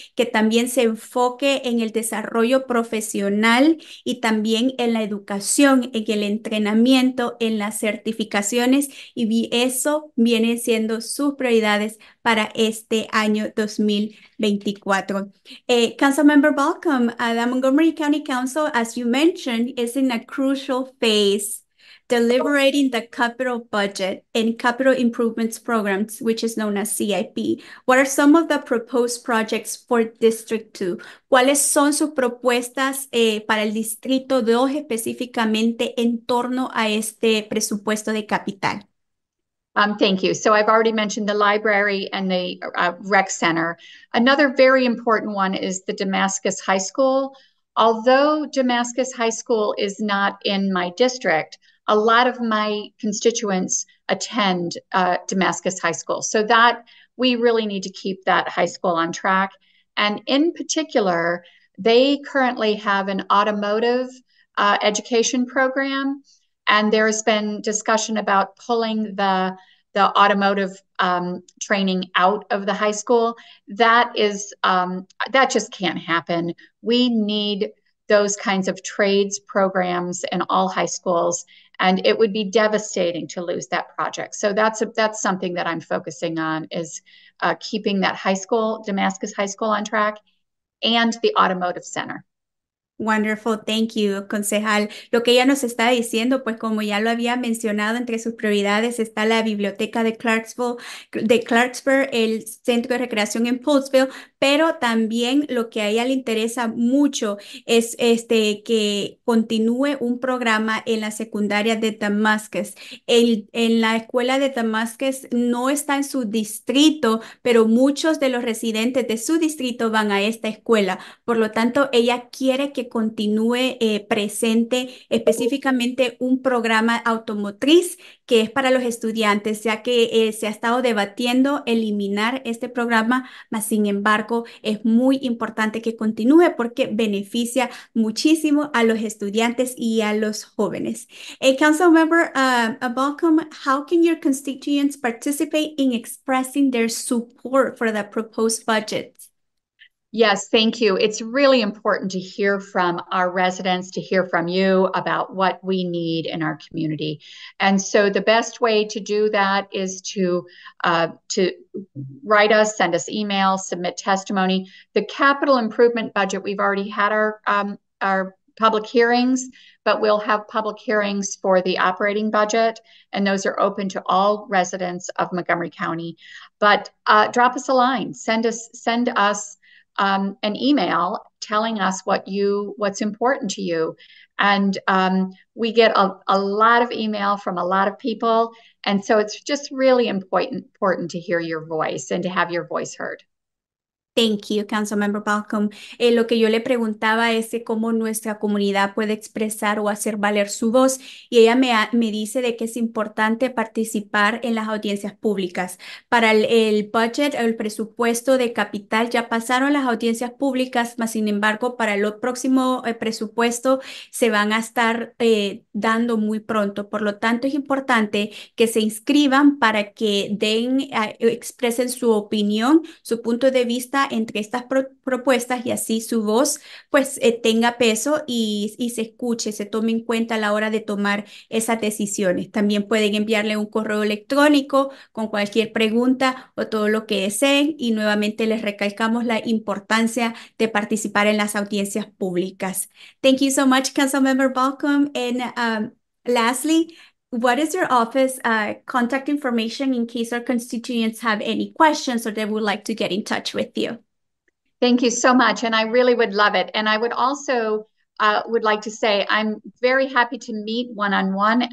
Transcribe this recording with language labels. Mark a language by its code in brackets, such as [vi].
[es] que también se enfoque en el desarrollo profesional y también en la educación, en el entrenamiento, en las certificaciones, y eso viene siendo sus prioridades para este año 2024. [en] Councilmember Balcombe, the Montgomery County Council, as you mentioned, is in a crucial phase deliberating the capital budget and capital improvements programs, which is known as CIP. What are some of the proposed projects for District 2? [es] ¿Cuáles son sus propuestas para el Distrito 2 específicamente en torno a este presupuesto de capital? [en] Thank you. So I've already mentioned the library and the rec center. Another very important one is the Damascus High School. Although Damascus High School is not in my district, a lot of my constituents attend Damascus High School. So that we really need to keep that high school on track. And in particular, they currently have an automotive education program. And there's been discussion about pulling the automotive training out of the high school. That is, that just can't happen. We need those kinds of trades programs in all high schools, and it would be devastating to lose that project. So that's something that I'm focusing on, is keeping that high school, Damascus High School, on track, and the automotive center. Wonderful, thank you, concejal. [es] Lo que ella nos está diciendo, pues como ya lo había mencionado, entre sus prioridades está la biblioteca de Clarksburg, el centro de recreación en Poolesville, pero también lo que a ella le interesa mucho es este que continúe un programa en la secundaria de Damascus. En la escuela de Damascus no está en su distrito, pero muchos de los residentes de su distrito van a esta escuela. Por lo tanto, ella quiere que continúe presente específicamente un programa automotriz que es para los estudiantes, ya que se ha estado debatiendo eliminar este programa, mas sin embargo es muy importante que continúe porque beneficia muchísimo a los estudiantes y a los jóvenes. [en] Councilmember Balcombe, how can your constituents participate in expressing their support for the proposed budget? Yes, thank you. It's really important to hear from our residents, to hear from you about what we need in our community. And so the best way to do that is to write us, send us emails, submit testimony. The capital improvement budget, we've already had our public hearings, but we'll have public hearings for the operating budget, and those are open to all residents of Montgomery County. But drop us a line, send us an email telling us what's important to you. And we get a lot of email from a lot of people. And so it's just really important to hear your voice and to have your voice heard. Thank you, Councilmember Balcombe. [es] Lo que yo le preguntaba es que cómo nuestra comunidad puede expresar o hacer valer su voz, y ella me dice de que es importante participar en las audiencias públicas. Para el budget, el presupuesto de capital, ya pasaron las audiencias públicas, mas sin embargo, para el próximo presupuesto se van a estar dando muy pronto. Por lo tanto, es importante que se inscriban para que expresen su opinión, su punto de vista entre estas propuestas y así su voz pues tenga peso y se escuche, se tome en cuenta a la hora de tomar esas decisiones. También pueden enviarle un correo electrónico con cualquier pregunta o todo lo que deseen y nuevamente les recalcamos la importancia de participar en las audiencias públicas. [en] Thank you so much, Councilmember Balcombe. And lastly, what is your office contact information in case our constituents have any questions or they would like to get in touch with you? Thank you so much. And I really would love it. And I would also would like to say I'm very happy to meet one-on-one.